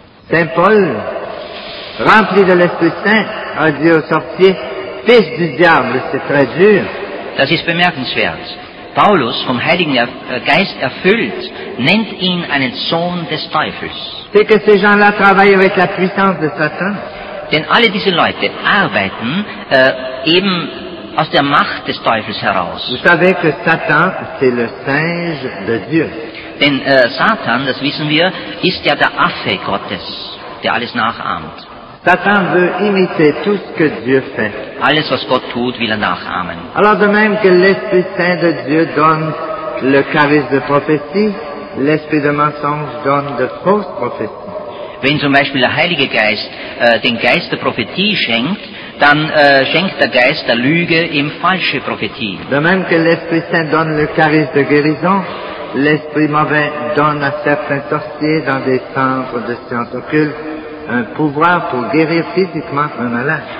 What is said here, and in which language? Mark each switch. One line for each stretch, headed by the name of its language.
French: Saint Paul, rempli de l'Esprit Saint, a dit au sorcier, fils du diable, c'est très dur.
German: Das ist bemerkenswert. Paulus, vom Heiligen Geist erfüllt, nennt ihn einen Sohn des Teufels.
French: C'est que ces gens-là travaillent avec la puissance de Satan.
German: Denn alle diese Leute arbeiten eben aus der Macht des Teufels heraus.
French: Vous savez que Satan, c'est le singe de Dieu.
German: Denn Satan, das wissen wir, ist ja der Affe Gottes, der alles nachahmt.
French: Satan veut imiter tout ce que Dieu fait.
German: Alles, was Gott tut, will er nachahmen.
French: Alors de même que l'Esprit Saint de Dieu donne le charisme de prophétie, l'Esprit de mensonge donne de fausses prophéties.
German: Wenn zum Beispiel der Heilige Geist den Geist der Prophetie schenkt, dann schenkt der Geist der Lüge ihm falsche Prophetie.
French: De même que l'Esprit Saint donne le charisme de guérison, l'Esprit mauvais donne à certains sorciers dans des centres de sciences occultes un pouvoir pour guérir physiquement un malade.